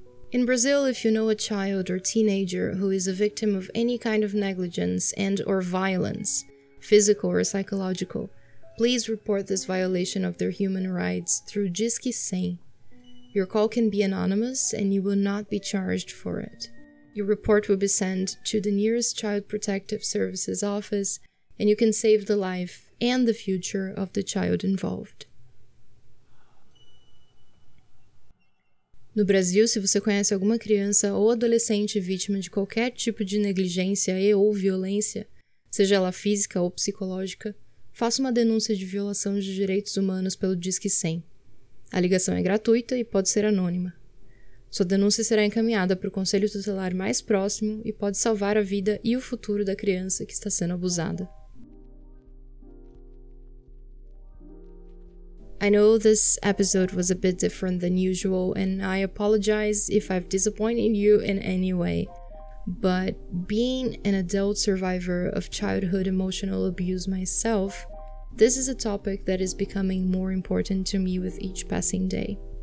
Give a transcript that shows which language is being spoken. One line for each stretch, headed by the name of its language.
English: In Brazil, if you know a child or teenager who is a victim of any kind of negligence and or violence, physical or psychological, please report this violation of their human rights through Disque 100. Your call can be anonymous and you will not be charged for it. Your report will be sent to the nearest Child Protective Services office and you can save the life and the future of the child involved.
Portuguese: No Brasil, se você conhece alguma criança ou adolescente vítima de qualquer tipo de negligência e ou violência, seja ela física ou psicológica, faça uma denúncia de violação de direitos humanos pelo Disque 100. A ligação é gratuita e pode ser anônima. Sua denúncia será encaminhada para o conselho tutelar mais próximo e pode salvar a vida e o futuro da criança que está sendo abusada.
English: I know this episode was a bit different than usual, and I apologize if I've disappointed you in any way, but being an adult survivor of childhood emotional abuse myself, this is a topic that is becoming more important to me with each passing day.